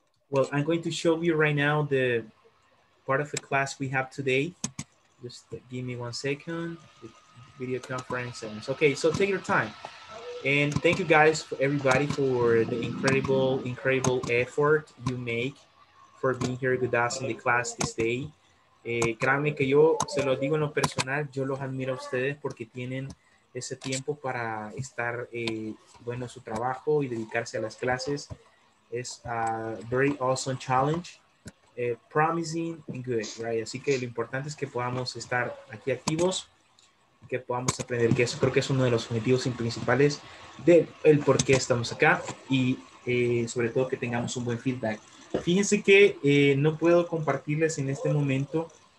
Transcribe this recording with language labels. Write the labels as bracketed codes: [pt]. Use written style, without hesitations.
[en] Well, I'm going to show you right now the part of the class we have today. Just give me 1 second. Video conference ends. Okay, so take your time. And thank you guys, for everybody, for the incredible, incredible effort you make for being here with us in the class this day. [es] Créanme que yo se lo digo en lo personal, yo los admiro a ustedes porque tienen ese tiempo para estar bueno su trabajo y dedicarse a las clases. [en] Es a very awesome challenge, promising and good, right? [es] Así que lo importante es que podamos estar aquí activos y que podamos aprender, que eso creo que es uno de los objetivos y principales del por qué estamos acá y sobre todo que tengamos un buen feedback. Fíjense que no puedo compartirles en este momento.